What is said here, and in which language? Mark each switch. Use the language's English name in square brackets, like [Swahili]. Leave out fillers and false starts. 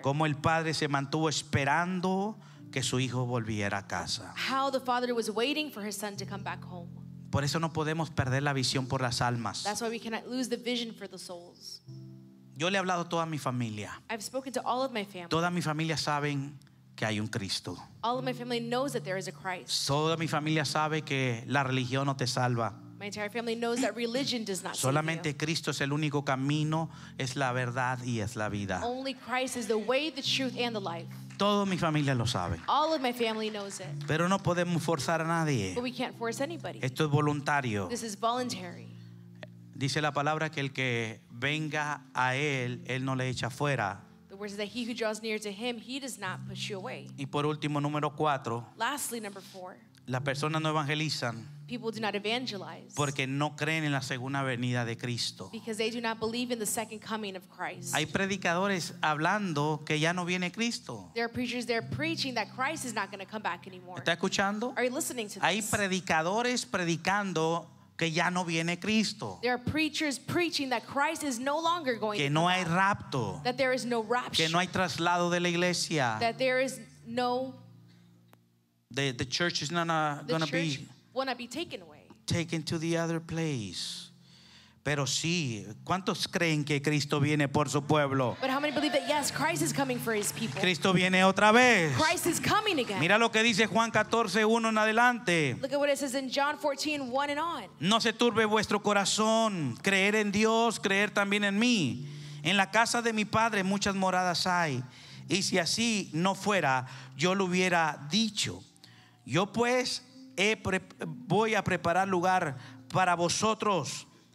[Spanish] Como el padre se mantuvo esperando que su hijo volviera a casa. [English] How the father was waiting for his son to come back home. [Spanish] Por eso no podemos perder la visión por las almas. [English] That's why we cannot lose the vision for the souls. [Spanish] Yo le he hablado a toda mi familia. [English] I've spoken to all of my family. [Spanish] Toda mi familia saben que hay un Cristo. [English] All of my family knows that there is a Christ. [Spanish] Toda mi familia sabe que la religión no te salva. [English] My entire family knows that religion does not save you. [Spanish] Solamente Cristo es el único camino, es la verdad y es la vida. [English] Only Christ is the way, the truth, and the life. [Spanish] Toda mi familia lo sabe. [English] All of my family knows it. [Spanish] Pero no podemos forzar a nadie. [English] But we can't force anybody. [Spanish] Esto es voluntario. [English] This is voluntary. [Spanish] Dice la palabra que el que venga a él, él no le echa fuera. [English] The word says that he who draws near to him, he does not push you away. [Spanish] Y por último, número cuatro. [English] Lastly, number four. [Spanish] Las personas no evangelizan. [English] People do not evangelize. [Spanish] Porque no creen en la segunda venida de Cristo. [English] Because they do not believe in the second coming of Christ. [Spanish] Hay predicadores hablando que ya no viene Cristo. [English] There are preachers there preaching that Christ is not going to come back anymore. [Spanish] ¿Está escuchando? [English] Are you listening to this? [Spanish] Hay predicadores predicando que ya no viene Cristo. [English] There are preachers preaching that Christ is no longer going [Spanish] que [English] to [Spanish] no [English] come. [Spanish] Que no hay rapto. [English] That there is no rapture. [Spanish] Que no hay traslado de la iglesia. [English] That there is no. The church is not going to be will not be taken away. Taken to the other place. [Spanish] Pero sí, ¿cuántos creen que Cristo viene por su pueblo? [English] But how many believe that yes, Christ is coming for his people? [Spanish] Cristo viene otra vez. [English] Christ is coming again. [Spanish] Mira lo que dice Juan 14:1 en adelante. [English] Look at what it says in John 14:1 and on. [Spanish] No se turbe vuestro corazón, creer en Dios, creer también en mí. En la casa de mi Padre muchas moradas hay, y si así no fuera, yo lo hubiera dicho. Yo pues voy a preparar lugar para vosotros.